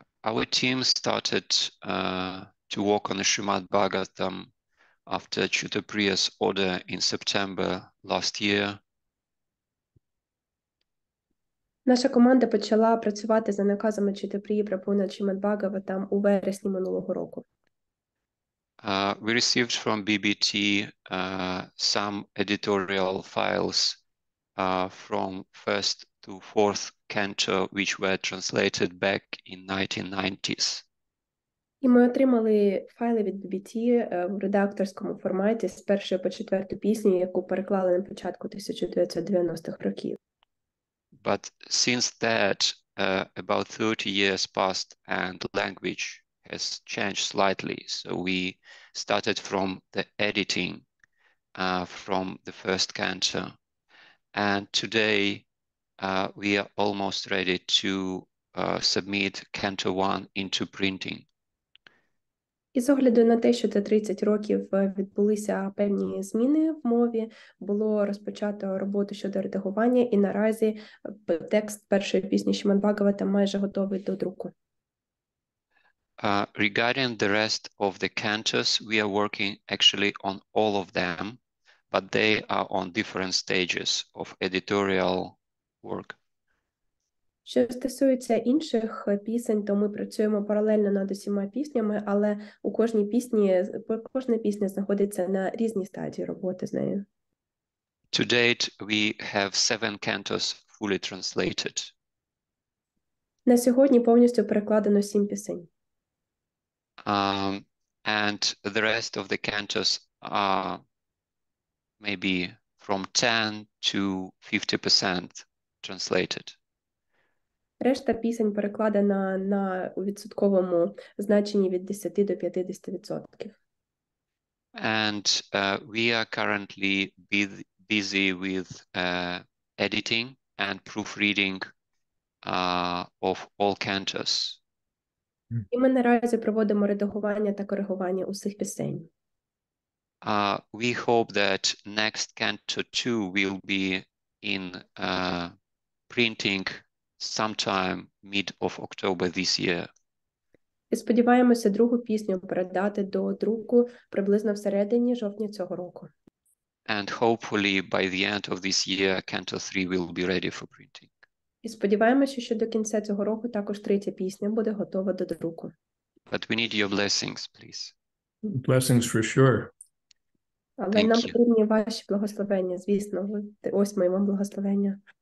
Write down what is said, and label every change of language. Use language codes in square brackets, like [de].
[en] Our team started to work on the Шримад-Бхагаватам after Chyuta Priya's order in September last year. [uk] Наша команда почала працювати за наказами Чіта Прії Прабу над Шримад-Бхагаватам у вересні минулого року. [en] We received from BBT some editorial files from first to fourth canto, which were translated back in 1990s. [uk] І ми отримали файли від BBT в редакторському форматі з першої по четверту пісню, яку переклали на початку 1990-х років. [en] But since that, about 30 years passed and language has changed slightly, so we started from the editing from the first canto. And today we are almost ready to submit canto 1 into printing. [uk] І з огляду на те, що за 30 років відбулися певні зміни в мові, було розпочато роботу щодо редагування, і наразі текст першої пісні Шримад-Бхагаватам майже готовий до друку. [en] Regarding the rest of the cantos, we are working actually on all of them, but they are on different stages of editorial work. [uk] Що стосується інших пісень, то ми працюємо паралельно над усіма піснями, але у кожній пісні, кожна пісня знаходиться на різній стадії роботи з нею. [en] To date, we have 7 cantos fully translated. [uk] На сьогодні повністю перекладено 7 пісень. [en] And the rest of the cantos are maybe from 10 to 50% translated. [uk] Решта пісень перекладена на відсотковому значенні від 10 до 50%. [en] And we are currently busy with editing and proofreading of all cantos. [uk] І ми наразі проводимо редагування та коригування усіх пісень. [en] We hope that next canto 2 will be in printing sometime mid of October this year. [uk] І сподіваємося другу пісню передати до друку приблизно в середині жовтня цього року. [en] And hopefully by the end of this year canto 3 will be ready for printing. [uk] І сподіваємося, що до кінця цього року також третя пісня буде готова до друку. [en] But we need your blessings, please. Blessings for sure. [uk] Але нам потрібні ваші благословення, звісно. Ось моє вам благословення.